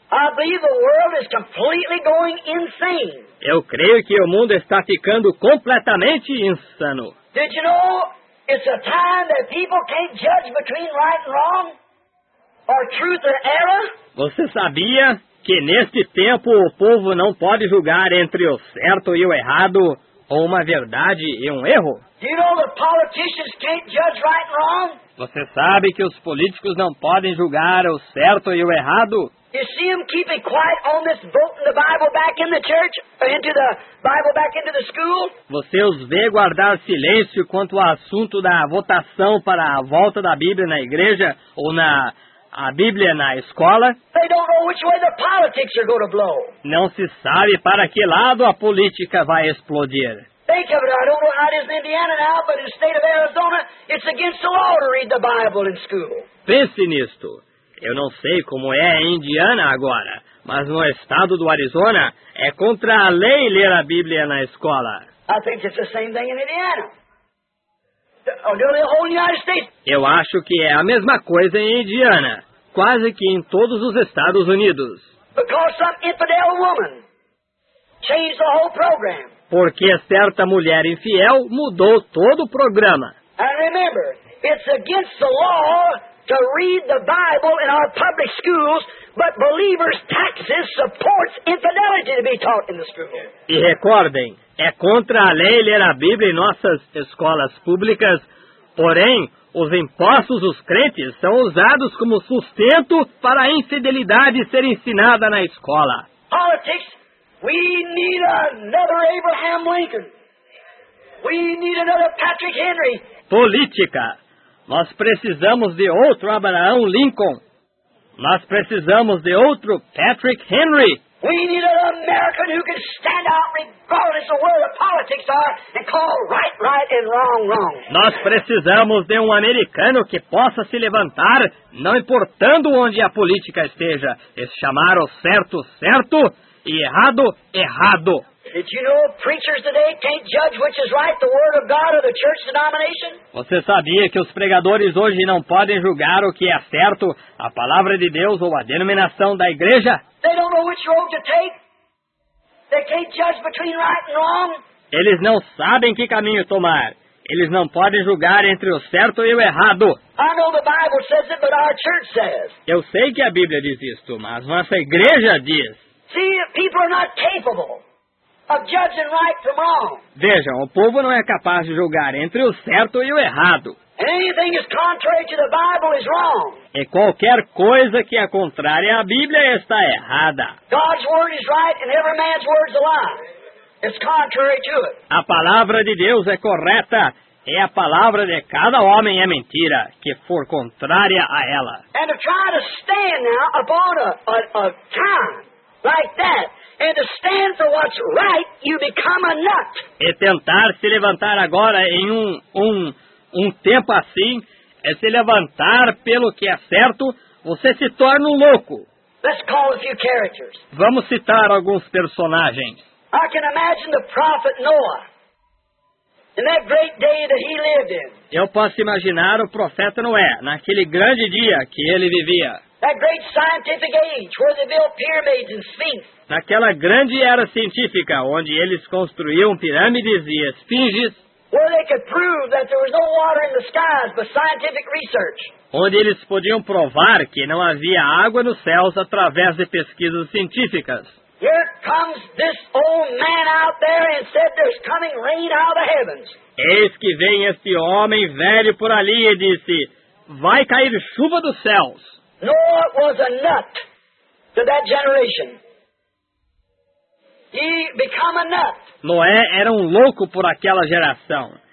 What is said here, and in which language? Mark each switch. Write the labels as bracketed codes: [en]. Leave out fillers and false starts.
[en] I believe the world is completely going insane. [pt] Eu creio que o mundo está ficando completamente insano. [en] Did you know it's a time that people can't judge between right and wrong? Or truth or error? [pt] Você sabia que neste tempo o povo não pode julgar entre o certo e o errado? Ou uma verdade e um erro? [en] You know the politicians can't judge right and wrong? [pt] Você sabe que os políticos não podem julgar o certo e o errado? [en] You see them keeping quiet on this voting the Bible back in the church, into the Bible back into the school? [pt] Você os vê guardar silêncio quanto ao assunto da votação para a volta da Bíblia na igreja ou na a Bíblia na escola? [en] They don't know which way the politics are going to blow. [pt] Não se sabe para que lado a política vai explodir. [en] Think of it, I don't know how it is in Indiana now, but in the state of Arizona, it's against the law to read the Bible in school. [pt] Pense nisto. Eu não sei como é em Indiana agora, mas no estado do Arizona, é contra a lei ler a Bíblia na escola. [en] I think it's the same thing in Indiana. The whole United States. [pt] Eu acho que é a mesma coisa em Indiana, quase que em todos os Estados Unidos. [en] Because some infidel woman changed the whole program. [pt] Porque certa mulher infiel mudou todo o programa. [en] And remember, it's against the law to read the Bible in our public schools, but believers' taxes supports infidelity to be taught in the school. [pt] E recordem, é contra a lei ler a Bíblia em nossas escolas públicas, porém, os impostos dos crentes são usados como sustento para a infidelidade ser ensinada na escola. [en] Politics, we need another Abraham Lincoln. We need another Patrick Henry. [pt] Política, nós precisamos de outro Abraão Lincoln. Nós precisamos de outro Patrick Henry. [en] We need an American who can stand out regardless of where the politics are and call right, right and wrong, wrong. [pt] Nós precisamos de um americano que possa se levantar, não importando onde a política esteja, e chamar o certo, certo, e errado, errado. [en] Did you know preachers today can't judge which is right, the word of God or the church denomination? [pt] Você sabia que os pregadores hoje não podem julgar o que é certo, a palavra de Deus ou a denominação da igreja? [en] They don't know which road to take. They can't judge between right and wrong. [pt] Eles não sabem que caminho tomar. Eles não podem julgar entre o certo e o errado. [en] I know the Bible says it, but our church says. [pt] Eu sei que a Bíblia diz isto, mas nossa igreja diz. [en] See, people are not capable of judging right from wrong. [pt] Vejam, o povo não é capaz de julgar entre o certo e o errado. [en] Anything is contrary to the Bible is wrong. [pt] E qualquer coisa que é contrária à Bíblia está errada. [en] God's word is right and every man's word is a lie. It's contrary to it. [pt] A palavra de Deus é correta, e a palavra de cada homem é mentira, que for contrária a ela. [en] And to try to stand now upon a time like that, and to stand for what's right, you become a nut. [pt] E tentar se levantar agora em um tempo assim, é se levantar pelo que é certo, você se torna um louco. [en] Let's call a few characters. [pt] Vamos citar alguns personagens. [en] I can imagine the prophet Noah in that great day that he lived in. [pt] Eu posso imaginar o profeta Noé naquele grande dia que ele vivia. [en] That great scientific age where they built pyramids and sphinxes. [pt] Naquela grande era científica onde eles construíam pirâmides e esfinges. [en] Where they could prove that there was no water in the skies but scientific research. [pt] Onde eles podiam provar que não havia água nos céus através de pesquisas científicas. [en] Here comes this old man out there and said there's coming rain out of the heavens. [pt] Eis que vem este homem velho por ali e disse, vai cair chuva dos céus. [en] Noah was a nut to that generation. He became a nut. [pt] Noé era um louco por aquela geração.